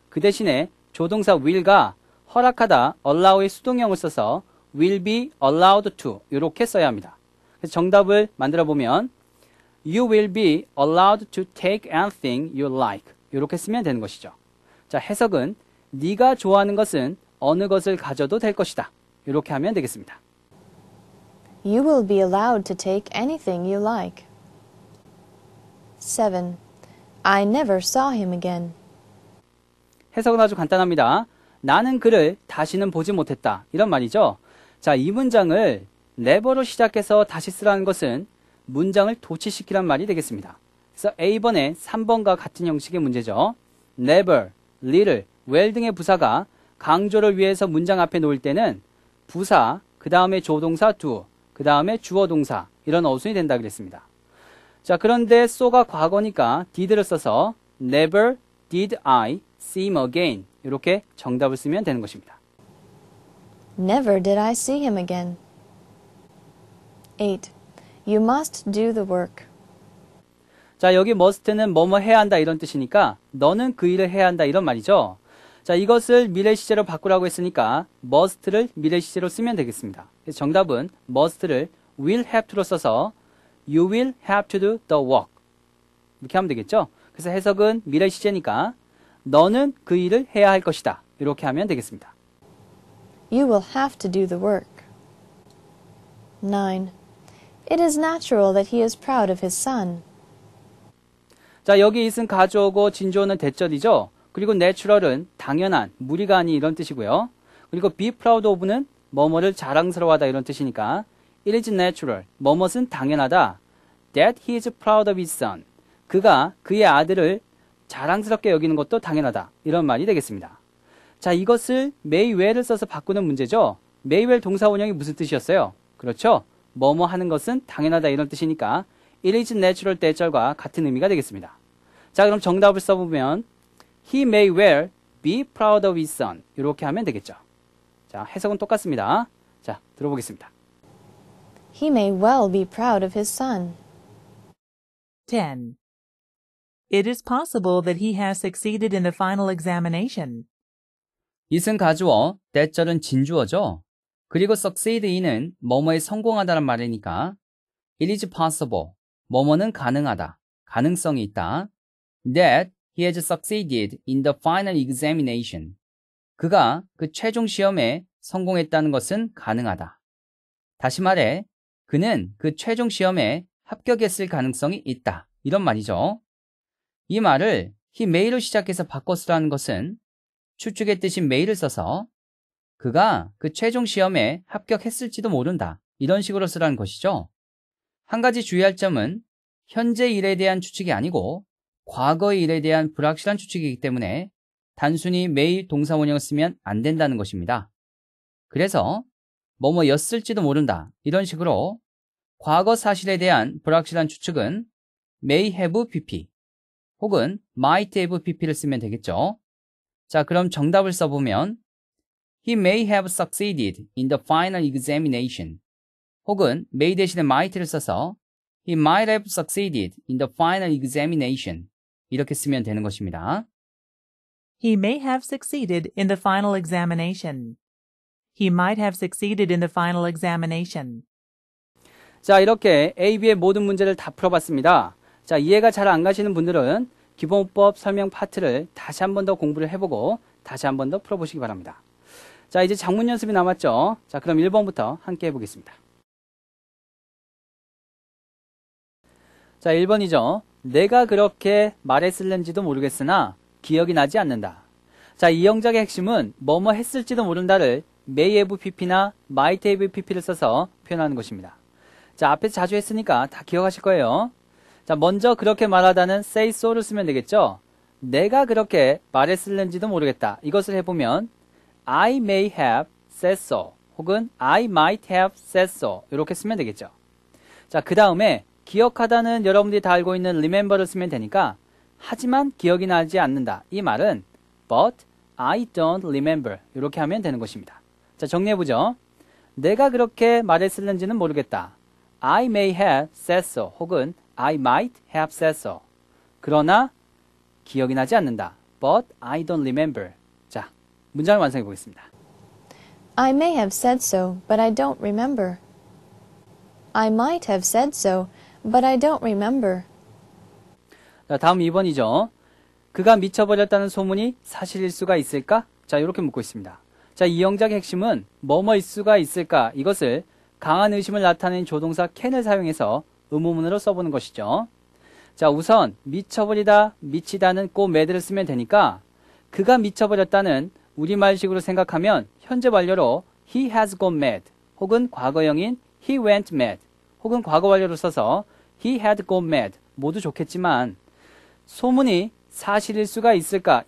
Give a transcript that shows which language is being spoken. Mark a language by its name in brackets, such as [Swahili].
[Korean] 그 대신에 조동사 will과 허락하다, allow의 수동형을 써서 [English] will be allowed to [Korean] 이렇게 써야 합니다. 그래서 정답을 만들어 보면 [English] You will be allowed to take anything you like. [Korean] 이렇게 쓰면 되는 것이죠. 자, 해석은 네가 좋아하는 것은 어느 것을 가져도 될 것이다. 이렇게 하면 되겠습니다. [English] You will be allowed to take anything you like. 7. I never saw him again. [Korean] 해석은 아주 간단합니다. 나는 그를 다시는 보지 못했다. 이런 말이죠. 자, 이 문장을 never로 시작해서 다시 쓰라는 것은 문장을 도치시키란 말이 되겠습니다. 그래서 A번에 3번과 같은 형식의 문제죠. Never, little, well 등의 부사가 강조를 위해서 문장 앞에 놓을 때는 부사, 그 다음에 조동사 do, 그 다음에 주어 동사 이런 어순이 된다 그랬습니다. 자, 그런데 so가 과거니까 did를 써서 [English] never did I see him again [Korean] 이렇게 정답을 쓰면 되는 것입니다. [English] Never did I see him again. 8. You must do the work. [Korean] 자, 여기 must는 뭐뭐 해야 한다 이런 뜻이니까 너는 그 일을 해야 한다 이런 말이죠. 자, 이것을 미래 시제로 바꾸라고 했으니까 must를 미래 시제로 쓰면 되겠습니다. 그래서 정답은 must를 will have to로 써서 [English] you will have to do the work. [Korean] 이렇게 하면 되겠죠. 그래서 해석은 미래 시제니까 너는 그 일을 해야 할 것이다. 이렇게 하면 되겠습니다. [English] You will have to do the work. 9. It is natural that he is proud of his son. [Korean] 자, 여기 it은 가져오고 진조는 대절이죠. 그리고 natural은 당연한, 무리가 아닌 이런 뜻이고요. 그리고 be proud of는 뭐뭐를 자랑스러워하다 이런 뜻이니까 [English] it is natural, [Korean] 뭐뭐는 당연하다. [English] That he is proud of his son. [Korean] 그가 그의 아들을 자랑스럽게 여기는 것도 당연하다. 이런 말이 되겠습니다. 자, 이것을 may well을 써서 바꾸는 문제죠. may well 동사 원형이 무슨 뜻이었어요? 그렇죠? 뭐뭐 하는 것은 당연하다 이런 뜻이니까 it is natural 대절과 같은 의미가 되겠습니다. 자, 그럼 정답을 써보면 [English] he may well be proud of his son [Korean] 이렇게 하면 되겠죠. 자, 해석은 똑같습니다. 자, 들어보겠습니다. [English] He may well be proud of his son. 10. It is possible that he has succeeded in the final examination. [Korean] it은 가주어, 대절은 진주어죠. 그리고 succeed in은 뭐뭐에 성공하다는 말이니까 [English] it is possible, [Korean] 뭐뭐는 가능하다, 가능성이 있다. [English] that he has succeeded in the final examination. [Korean] 그가 그 최종 시험에 성공했다는 것은 가능하다. 다시 말해, 그는 그 최종 시험에 합격했을 가능성이 있다. 이런 말이죠. 이 말을 he may로 시작해서 바꿔쓰라는 것은 추측의 뜻인 may를 써서 그가 그 최종 시험에 합격했을지도 모른다. 이런 식으로 쓰라는 것이죠. 한 가지 주의할 점은 현재 일에 대한 추측이 아니고 과거의 일에 대한 불확실한 추측이기 때문에 단순히 may 동사원형을 쓰면 안 된다는 것입니다. 그래서 뭐뭐였을지도 모른다. 이런 식으로 과거 사실에 대한 불확실한 추측은 may have BP 혹은 might have BP를 쓰면 되겠죠. 자, 그럼 정답을 써보면 [English] He may have succeeded in the final examination [Korean] 혹은 may 대신에 might를 써서 [English] He might have succeeded in the final examination [Korean] 이렇게 쓰면 되는 것입니다. [English] He may have succeeded in the final examination. He might have succeeded in the final examination. [Korean] 자, 이렇게 A, B의 모든 문제를 다 풀어봤습니다. 자, 이해가 잘 안 가시는 분들은 기본법 설명 파트를 다시 한 번 더 공부를 해보고 다시 한 번 더 풀어보시기 바랍니다. 자, 이제 작문 연습이 남았죠? 자, 그럼 1번부터 함께 해보겠습니다. 자, 1번이죠. 내가 그렇게 말했을는지도 모르겠으나 기억이 나지 않는다. 자, 이 영작의 핵심은 뭐뭐 했을지도 모른다를 may have pp나 might have pp를 써서 표현하는 것입니다. 자, 앞에서 자주 했으니까 다 기억하실 거예요. 자, 먼저 그렇게 말하다는 say so를 쓰면 되겠죠. 내가 그렇게 말했을는지도 모르겠다. 이것을 해보면 [English] I may have said so [Korean] 혹은 [English] I might have said so [Korean] 이렇게 쓰면 되겠죠. 자, 그 다음에 기억하다는 여러분들이 다 알고 있는 remember를 쓰면 되니까 하지만 기억이 나지 않는다 이 말은 [English] but I don't remember [Korean] 이렇게 하면 되는 것입니다. 자, 정리해보죠. 내가 그렇게 말했을는지는 모르겠다. [English] I may have said so 혹은 I might have said so. [Korean] 그러나 기억이 나지 않는다. [English] But I don't remember. [Korean] 자, 문장을 완성해 보겠습니다. [English] I may have said so, but I don't remember. I might have said so, but I don't remember. [Korean] 자, 다음 2번이죠. 그가 미쳐버렸다는 소문이 사실일 수가 있을까? 자, 이렇게 묻고 있습니다. 자, 이 영작의 핵심은 뭐뭐일 수가 있을까? 이것을 강한 의심을 나타낸 조동사 can을 사용해서 의문문으로 써보는 것이죠. 자, 우선 미쳐버리다, 미치다는 꼭 mad를 쓰면 되니까 그가 미쳐버렸다는 우리말식으로 생각하면 현재 완료로 [English] he has gone mad [Korean] 혹은 과거형인 [English] he went mad [Korean] 혹은 과거 완료로 써서 [English] he had gone mad [Korean] 모두 좋겠지만 소문이 사실일 수가 있을까?